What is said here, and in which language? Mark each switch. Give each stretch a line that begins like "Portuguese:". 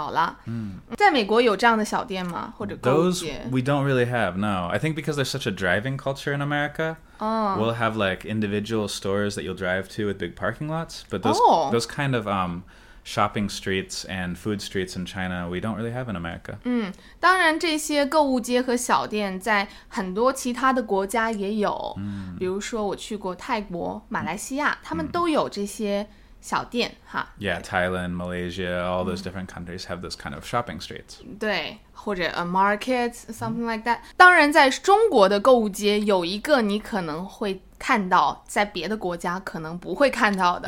Chinese: 对，没错。那这些商店就是比较小了。在美国有这样的小店吗？或者购物街?
English: Those we don't really have, no. I think because there's such a driving culture in America, we'll have like individual stores that you'll drive to with big parking lots. But those kind of shopping streets and food streets in China, we don't really have in America.
Chinese: 当然这些购物街和小店在很多其他的国家也有, 比如说我去过泰国、马来西亚, 他们都有这些小店,
English: Yeah, Thailand, Malaysia, all those different countries have those kind of shopping streets.
Chinese: 对,或者
English: a market, something like that.
Chinese: 当然在中国的购物街有一个你可能会 看到在别的国家可能不会看到的